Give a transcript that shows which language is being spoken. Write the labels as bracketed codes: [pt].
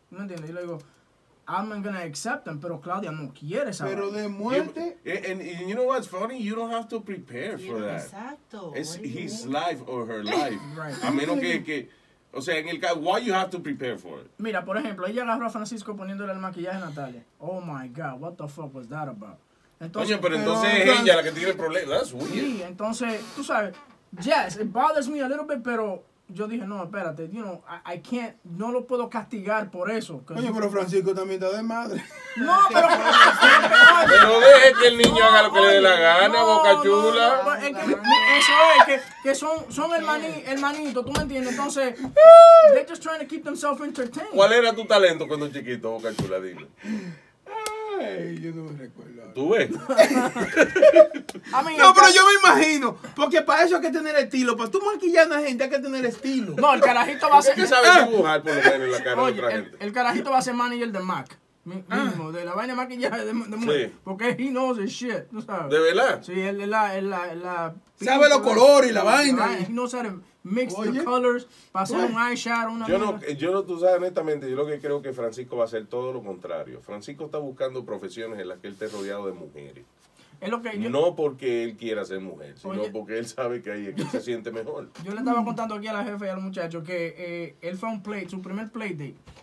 [es] ¿Me entiendes? Y le digo, [en] I'm not gonna accept them, [es] pero Claudia no quiere saber. Pero de muerte. [en] And you know what's funny? You don't have to prepare for that. [es] Exacto. [en] It's his life or her life. Right. [es] A menos que, o sea, en el caso, [en] why you have to prepare for it? [es] Mira, por ejemplo, ella agarró a Francisco poniéndole el maquillaje a Natalia. [en] Oh my God, what the fuck was that about? [es] Entonces, oye, pero entonces es ella la que tiene el problema. [en] That's weird. [es] Sí, entonces, tú sabes, [en] yes, it bothers me a little bit, [es] pero yo dije, no, espérate, [en] you know, I can't, [es] no lo puedo castigar por eso. Oye, pero Francisco también está de madre. No, pero... pero deje que el niño haga lo que le dé la gana, no, boca chula. No, es que, eso es, que son hermanitos, ¿tú me entiendes? Entonces, [en] they're just trying to keep themselves entertained. [es] ¿Cuál era tu talento cuando chiquito, boca chula, dime? Ay, yo no me recuerdo. ¿Tú ves? [en] I mean, [es] no, pero yo me imagino. Porque para eso hay que tener estilo. Para tú maquillar a una gente hay que tener estilo. No, el carajito va a ser... ¿Qué sabes dibujar por lo menos en la cara, oye, de otra gente? El carajito va a ser manager de Mac. Mismo, de la vaina de maquillaje de sí. Porque [en] he knows his shit, [es] ¿tú sabes? ¿De verdad? Sí, él la sabe los colores y la vaina. [en] He knows how to mix, [es] oye, [en] the colors. [es] Para hacer un eyeshadow, una... Yo no, tú sabes, honestamente, yo lo que creo que Francisco va a hacer todo lo contrario. Francisco está buscando profesiones en las que él esté rodeado de mujeres. Es lo que yo... No porque él quiera ser mujer, sino, oye, porque él sabe que ahí es que se siente mejor. Yo le estaba contando aquí a la jefa y a los muchachos que él fue a un play, su primer play date.